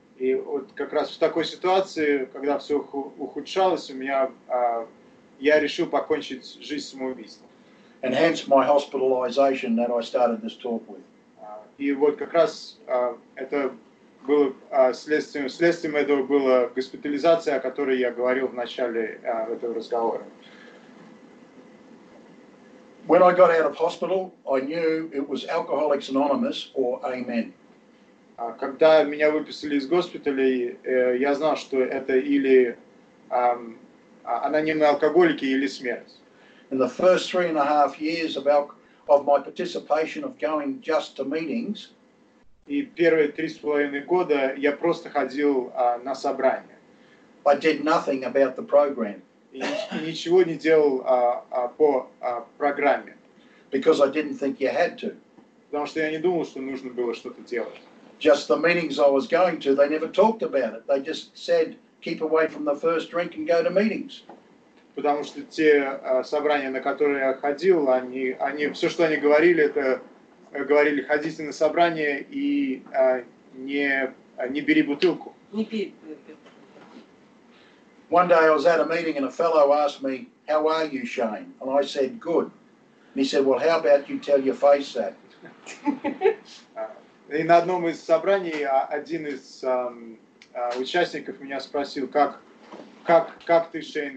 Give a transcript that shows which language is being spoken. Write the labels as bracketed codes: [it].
[ru] И вот как раз в такой ситуации, когда все ухудшалось, у меня я решил покончить жизнь самоубийством. [en] And hence my hospitalization that I started this talk with. [ru] И вот как раз это было следствием этого была госпитализация, о которой я говорил в начале этого разговора. [en] When I got out of hospital, I knew it was Alcoholics Anonymous or Amen. [ru] Когда меня выписали из госпиталя, я знал, что это или анонимные алкоголики, или смерть. [en] In the first 3.5 years of my participation of going just to meetings. [ru] И первые 3.5 года я просто ходил на собрания. [en] I did nothing about the program. [ru] И ничего не делал по программе. [en] Because I didn't think you had to. [ru] Потому что я не думал, что нужно было что-то делать. [en] Just the meetings I was going to, they never talked about it. They just said, keep away from the first drink and go to meetings. [ru] Потому что те собрания, на которые я ходил, они все, что они говорили, это говорили, ходите на собрание и не бери бутылку. Не пей. [en] One day I was at a meeting and a fellow asked me, how are you, Shane? And I said, good. And he said, well, how about you tell your face that? [ru] И на одном из собраний один из участников меня спросил, как ты, Шейн?